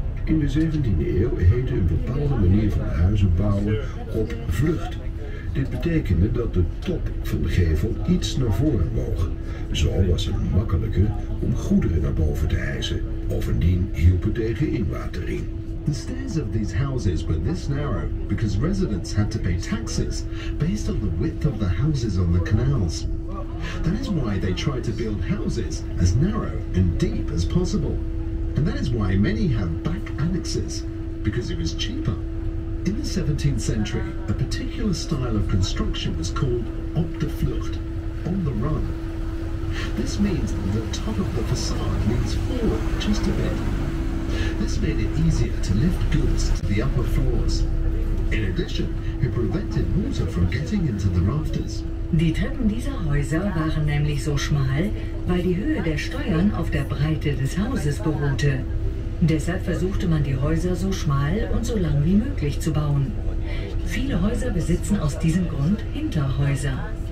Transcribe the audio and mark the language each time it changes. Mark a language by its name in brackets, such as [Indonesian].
[Dutch] In de 17e eeuw heette een bepaalde manier van huizen bouwen op vlucht. Dit betekende dat de top van de gevel iets naar voren boog. Zo was het makkelijker om goederen naar boven te hijsen. Bovendien hielp het tegen inwatering. [English] The stairs of these houses were this narrow because residents had to pay taxes based on the width of the houses on the canals. That is why they tried to build houses as narrow and deep as possible. And that is why many have back annexes, because it was cheaper. In the 17th century, a particular style of construction was called op de vlucht, on the run. This means that the top of the facade leans forward just a bit. This made it easier to lift goods to the upper floors. In addition, it prevented water from getting into the rafters. [German] Die Treppen dieser Häuser waren nämlich so schmal, weil die Höhe der Steuern auf der Breite des Hauses beruhte. Deshalb versuchte man, die Häuser so schmal und so lang wie möglich zu bauen. Viele Häuser besitzen aus diesem Grund Hinterhäuser.